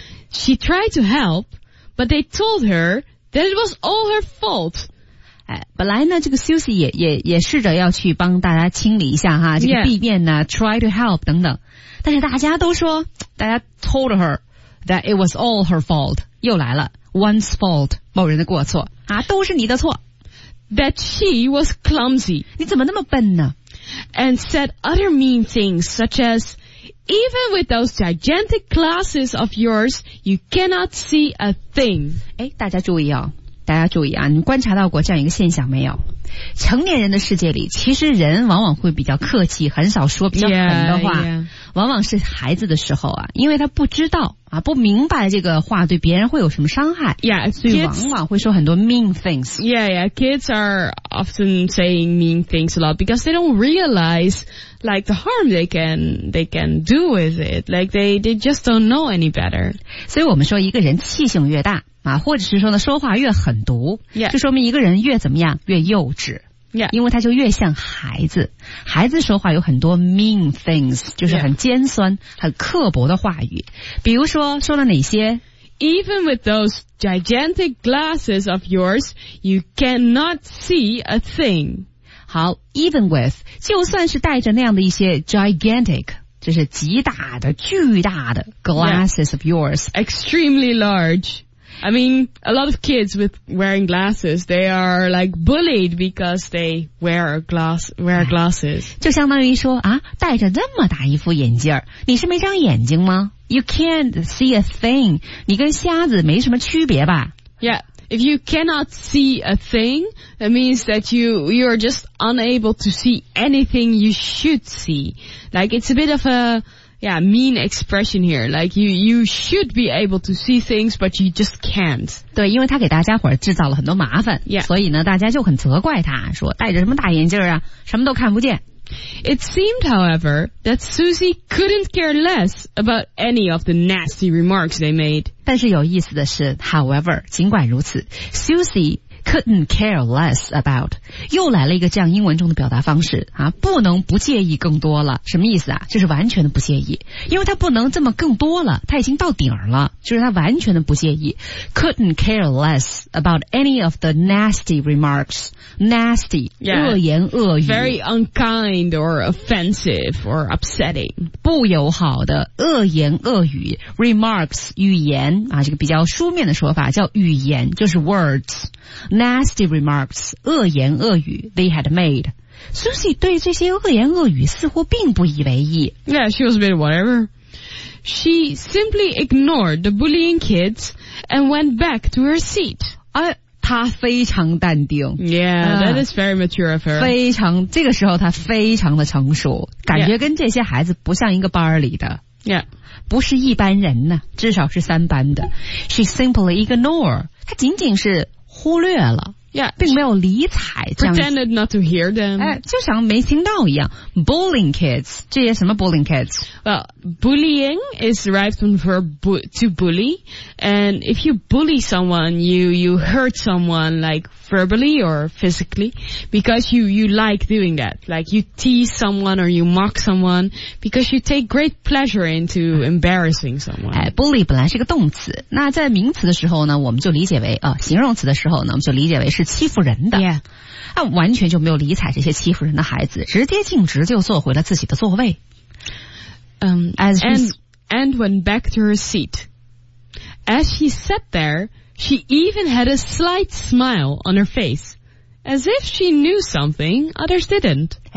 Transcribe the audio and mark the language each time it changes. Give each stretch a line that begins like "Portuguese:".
English: She tried to help, but they told her that it was all her fault.
Chinese: 本来呢这个 Susie 也试着要去帮大家清理一下哈这个弊变呢、 yeah.
English: try to help
Chinese: 等等。但是大家都说大家
English: told her that it was all her fault.
Chinese: 又来了
English: one's fault,
Chinese: 某人的过错啊都是你的错。
English: That she was clumsy.
Chinese: 你怎么那么笨呢
English: And said other mean things such as,Even with those gigantic glasses of yours, you cannot see a thing.
Chinese: 大家注意哦，大家注意啊，你观察到过这样一个现象没有？成年人的世界里，其实人往往会比较客气，很少说比较狠的话。
English: Yeah, yeah.
Chinese: 往往是孩子的时候啊，因为他不知道啊，不明白这个话对别人会有什么伤害。
English: Yeah,
Chinese: 所以往往会说很多
English: mean things. Yeah, yeah. Kids are often saying mean things a lot because they don't realize like the harm they can do with it. Like they just don't know any better.
Chinese: 所以我们说一个人气性越大。啊，或者是说呢，说话越狠毒，
English: yeah.
Chinese: 就说明一个人越怎么样，越幼稚，
English: yeah.
Chinese: 因为他就越像孩子。孩子说话有很多
English: mean things，
Chinese: 就是很尖酸、
English: yeah.
Chinese: 很刻薄的话语。比如说，说了哪些
English: ？Even with those gigantic glasses of yours, you cannot see a thing.
Chinese: 好 ，
English: even with，
Chinese: 就算是带着那样的一些 gigantic。就是极大的、巨大的
English: glasses of yours, yeah, extremely large. I mean, a lot of kids with wearing glasses, they are like bullied because they wear glasses.
Chinese: 就相当于说啊，戴着那么大一副眼镜，你是没长眼睛吗 ？
English: You can't see a thing.
Chinese: 你跟瞎子没什么区别吧
English: ？Yeah, if you cannot see a thing, that means that you are just unable to see anything you should see. Like, it's a bit of a, yeah, mean expression here. Like, you should be able to see things, but you just can't.
Chinese: 对，因为他给大家伙制造了很多麻烦。
English: Yeah.
Chinese: 所以呢，大家就很责怪他，说戴着什么大眼镜啊，什么都看不见。
English: It seemed, however, that Susie couldn't care less about any of the nasty remarks they made.
Chinese: 但是有意思的是 ,however, 尽管如此 ,
English: Susie couldn't care less about.
Chinese: 又来了一个这样英文中的表达方式啊，不能不介意更多了。什么意思啊？就是完全的不介意，因为他不能这么更多了，他已经到顶了，就是他完全的不介意。
English: Couldn't care less about any of the nasty remarks. Nasty, yeah,
Chinese: 恶言恶语。
English: Very unkind or offensive or upsetting.
Chinese: 不友好的恶言恶语。
English: Remarks,
Chinese: 语言啊，这个比较书面的说法叫语言，就是 words.
English: Nasty remarks, 恶言恶语 they had made.
Chinese: Susie 对这些恶言恶语似乎并不以为意。
English: Yeah, she was a bit whatever. She simply ignored the bullying kids and went back to her seat.
Chinese: 她非常淡定。
English: Yeah, that is very mature of her.
Chinese: 非常，这个时候她非常的成熟，感觉跟这些孩子不像一个班里的。
English: Yeah.
Chinese: 不是一般人呢，至少是三班的。
English: She simply ignore.
Chinese: 她仅仅是忽略了。
English: Yeah.
Chinese: 并没有理睬这样。
English: Pretended not to hear them.
Chinese: 就像没听到一样。
English: Bullying kids.
Chinese: 这些什么
English: bullying kids? Well, bullying is derived from the verb to bully. And if you bully someone, you hurt someone like verbally or physically because you like doing that. Like you tease someone or you mock someone because you take great pleasure into embarrassing someone.
Chinese: Bully 本来是个动词。那在名词的时候呢我们就理解为形容词的时候呢我们就理解为是欺负人的。
English: Yeah.
Chinese: 他完全就没有理睬这些欺负人的孩子，直接径直就坐回了自己的座位。
English: And went back to her seat. As she sat there, she even had a slight smile on her face, as if she knew something others didn't.